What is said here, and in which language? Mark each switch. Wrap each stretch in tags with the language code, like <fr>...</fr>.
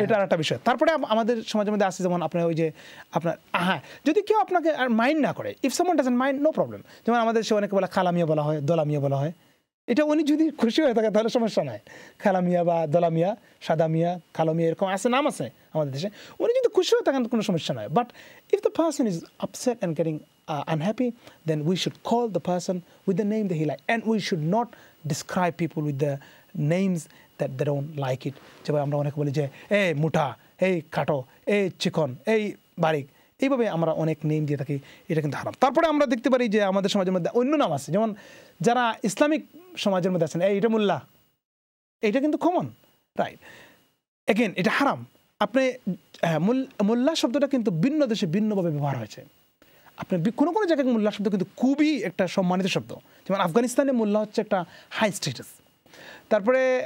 <bn>এটা আরেকটা বিষয় তারপরে আমাদের সমাজের মধ্যে আছে যেমন আপনার ওই যে আপনার হ্যাঁ যদি কেউ আপনাকে আর মাইন্ড না করে</bn> <en>if someone doesn't mind no problem</en> <bn>যেমন আমাদের সে অনেকে বলা খালামিয়া বলা হয় দোলামিয়া বলা হয় এটা উনি যদি খুশি হয়ে থাকে তাহলে সমস্যা নাই খালামিয়া বা দোলামিয়া সাদামিয়া কালামিয়া এরকম আছে নাম আছে আমাদের দেশে উনি যদি খুশি হয়ে থাকেন কোনো সমস্যা নয়</bn> <en>But if the person is upset and getting unhappy, then we should call the person with the name that he likes. And we should not describe people with the names that they don't like it. So we have to say, hey, Muta, hey, Kato, hey, Chikon, hey, Barik.</en> <bn>এইভাবে আমরা অনেক name দিয়ে থাকি এটা কিন্তু হারাম তারপরে আমরা দেখতে পারি যে আমাদের সমাজের মধ্যে অন্য নাম আছে যেমন যারা ইসলামিক সমাজের মধ্যে আছেন এইটা মোল্লা এইটা কিন্তু কমন রাইট এগেন এটা হারাম আপনি মোল্লা শব্দটা কিন্তু ভিন্ন দেশে ভিন্নভাবে ব্যবহার হয়েছে আপনি কোনো কোনো জায়গায় মোল্লা শব্দ কিন্তু খুবই একটা সম্মানিত শব্দ যেমন আফগানিস্তানে মোল্লা হচ্ছে একটা হাই স্ট্যাটাস তারপরে</bn>